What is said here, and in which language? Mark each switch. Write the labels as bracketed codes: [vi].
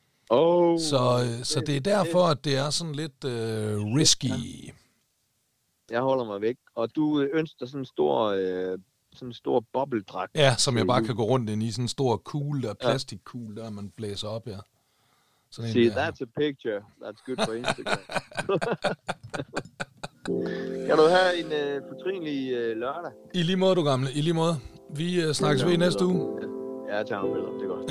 [da] Oh, så det er derfor, at det er sådan lidt risky. Jeg holder mig væk. Og du ønsker dig sådan en stor... sådan en stor bobledragt. Ja, som jeg bare kan gå rundt ind i, sådan en stor kugle der, plastikkugle der, man blæser op, ja. Sådan [en] see, en, that's a picture. That's good for Instagram. [da] Kan du have en fortrinlig lørdag? I lige måde, du gamle. I lige måde. Vi snakkes ved i næste uge. Ja, jeg tager en billede. Det er godt.